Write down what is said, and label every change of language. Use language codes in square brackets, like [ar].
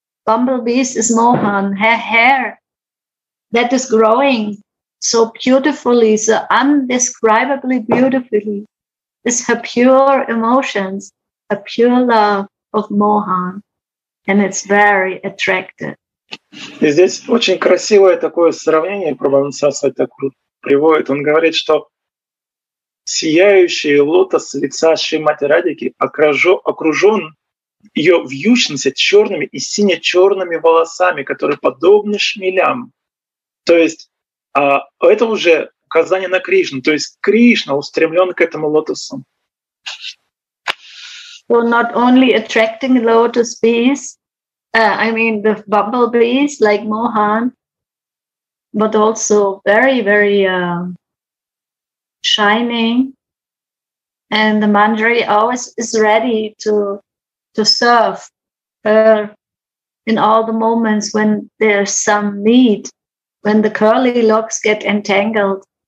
[en] Bumblebees is Mohan. Her hair that is growing so beautifully, so indescribably beautifully, is her pure emotions, a pure love of Mohan, and it's very attractive. [ru] И здесь очень красивое такое сравнение Прабхупада так приводит. Он говорит, что сияющий лотос лица Шримати Радики окружен ее вьющимися черными и сине-черными волосами, которые подобны шмелям. То есть это уже указание на Кришну. То есть Кришна устремлен к этому лотосу. [en] So not only attracting lotus bees, I mean the bumblebees like Mohan, but also very, very shining. And the Manjari always is ready to serve her in all the moments when there's some need, when the curly locks get entangled.